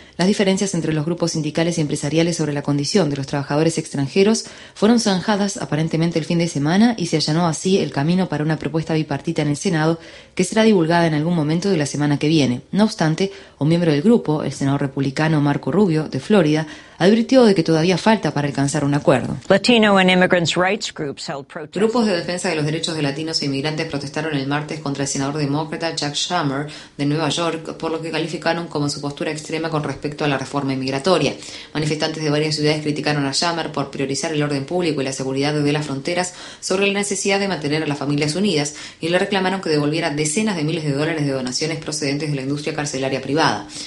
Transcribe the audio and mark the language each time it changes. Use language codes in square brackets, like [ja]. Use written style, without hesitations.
[es] Las diferencias entre los grupos sindicales y empresariales sobre la condición de los trabajadores extranjeros fueron zanjadas aparentemente el fin de semana y se allanó así el camino para una propuesta bipartita en el Senado que será divulgada en algún momento de la semana que viene. No obstante, un miembro del grupo, el senador republicano Marco Rubio, de Florida, advirtió de que todavía falta para alcanzar un acuerdo. [en] Latino and immigrants rights groups held protests. [es] Grupos de defensa de los derechos de latinos e inmigrantes protestaron el martes contra el senador demócrata Chuck Schumer de Nueva York por lo que calificaron como su postura extrema con respecto a la reforma inmigratoria. Manifestantes de varias ciudades criticaron a Schumer por priorizar el orden público y la seguridad de las fronteras sobre la necesidad de mantener a las familias unidas y le reclamaron que devolviera decenas de miles de dólares de donaciones procedentes de la industria carcelaria privada.